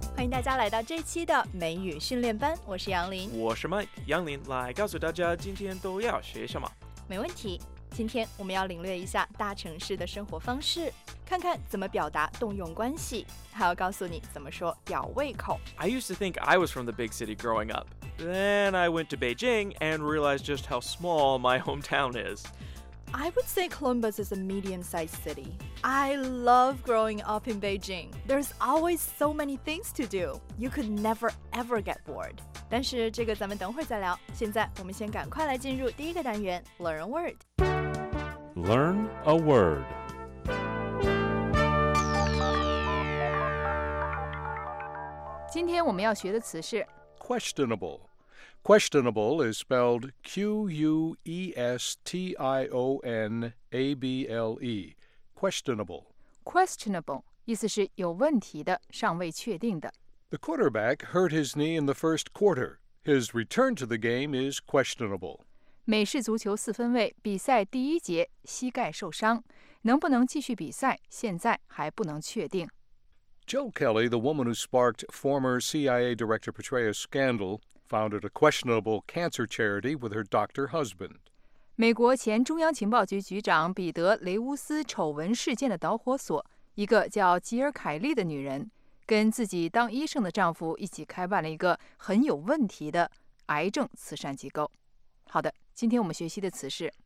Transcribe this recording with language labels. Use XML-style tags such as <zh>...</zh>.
<zh>大家来到这期的美语训练班，我是杨林，我是 Mike， 杨林来告诉大家今天都要学什么。没问题，今天我们要领略一下大城市的生活方式，看看怎么表达动用关系，还要告诉你怎么说吊胃口。</zh> <en>I used to think I was from the big city growing up. Then I went to Beijing and realized just how small my hometown is. I would say Columbus is a medium-sized city. I love growing up in Beijing. There's always so many things to do. You could never ever get bored.</en> <zh>但是这个咱们等会儿再聊，现在我们先赶快来进入第一个单元 Learn a Word。</zh> <en>Learn a word. Today we're going to learn the word questionable. Questionable is spelled Q-U-E-S-T-I-O-N-A-B-L-E. Questionable.</en> <zh>Questionable 意思是有问题的，尚未确定的。</zh> <en>The quarterback hurt his knee in the first quarter. His return to the game is questionable.</en> <zh>美式足球四分卫比赛第一节膝盖受伤，能不能继续比赛现在还不能确定。</zh> <en>Jill Kelly, the woman who sparked former CIA Director Petraeus' scandal, founded a questionable cancer charity with her doctor husband.</en> <zh>美国前中央情报局局长彼得·雷乌斯丑闻事件的导火索，一个叫吉尔·凯利的女人跟自己当医生的丈夫一起开办了一个很有问题的癌症慈善机构。好的，今天我们学习的词是</zh>